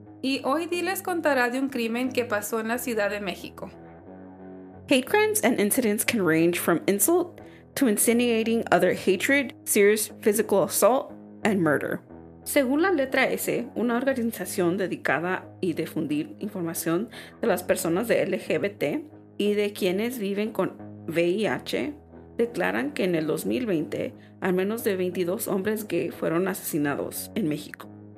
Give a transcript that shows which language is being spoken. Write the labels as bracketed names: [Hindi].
[Spanish] Y hoy Dee les contará de un crimen que pasó en la Ciudad de México. [English] Hate crimes and incidents can range from insult to insinuating other hatred, serious physical assault, and murder. [Spanish] Según la letra S, una organización dedicada a difundir información de las personas de LGBT y de quienes viven con VIH, declaran que en el 2020, al menos de 22 hombres gay fueron asesinados en México.